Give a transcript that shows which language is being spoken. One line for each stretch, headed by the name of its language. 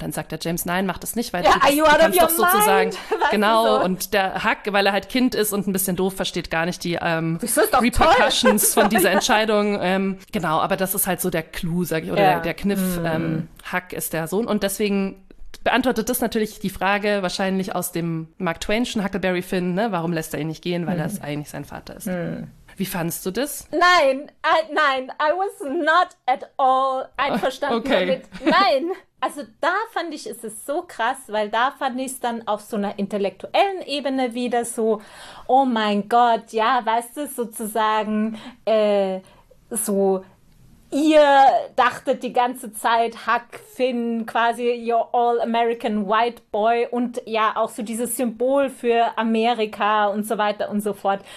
German: Und dann sagt der James, nein, mach das nicht, weil du kannst doch sozusagen... Genau, und der Huck, weil er halt Kind ist und ein bisschen doof, versteht gar nicht die Repercussions von dieser Entscheidung. Genau, aber das ist halt so der Clou, sag ich, oder der Kniff. Huck ist der Sohn und deswegen... Beantwortet das natürlich die Frage wahrscheinlich aus dem Mark Twain'schen Huckleberry Finn, ne? Warum lässt er ihn nicht gehen, weil er eigentlich sein Vater ist. Wie fandst du das? Nein,
English: I was not at all
German: einverstanden damit. Nein, also da fand ich, ist es so krass, weil da fand ich es dann auf so einer intellektuellen Ebene wieder so, oh mein Gott, ja, weißt du, sozusagen so... Ihr dachtet die ganze Zeit, Huck Finn, quasi
English: your all-American white boy
German: und ja auch so dieses Symbol für Amerika und so weiter und so fort.